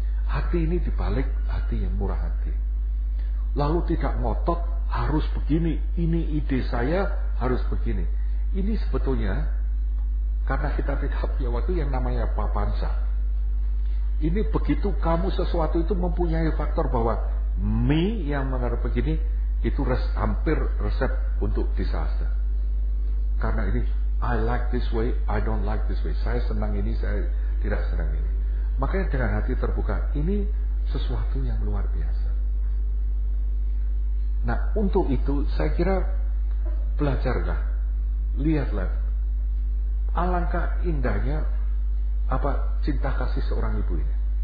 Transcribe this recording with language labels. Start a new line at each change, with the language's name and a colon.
Indonesian: Hati ini dibalik hati yang murah hati. Lalu tidak ngotot, harus begini, ini ide saya, harus begini. Ini sebetulnya, karena kita tidak punya waktu yang namanya papansa. Ini begitu kamu sesuatu itu mempunyai faktor bahwa mie yang mengarah begini, itu hampir resep untuk disaster. Karena ini,
English: I like this way, I don't like this way.
Indonesian: Saya senang ini, saya tidak senang ini. Makanya dengan hati terbuka, ini sesuatu yang luar biasa. Nah, untuk itu saya kira belajarlah, lihatlah. Alangkah indahnya apa cinta kasih seorang ibu ini.